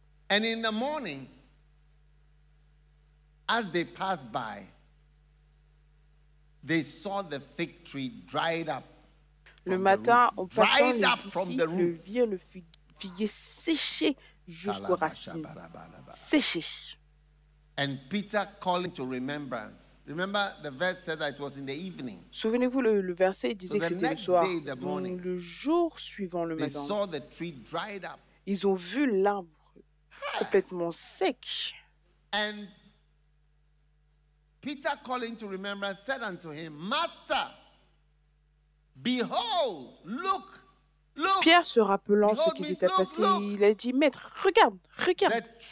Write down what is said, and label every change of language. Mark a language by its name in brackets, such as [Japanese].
[English] And in the morning, as they passed by, they saw the fig tree dried up. [French] Le matin, en passant, les disciples virent le figuier séché jusqu'aux racines. Séché. [English] And Peter calling to remembrance. Remember, the verse said that it was in the evening. [French] Souvenez-vous, le verset disait que c'était le soir. [English] Day, the morning, [French] le jour suivant, le [English] they [French] matin, [English] saw the tree dried up. [French] Ils ont vu l'arbre complètement sec. [English] And Peter, calling to remembrance, said unto him, Master, behold, look. [French] Pierre se rappelant ce qui s'était passé, il a dit, Maître, regarde, regarde.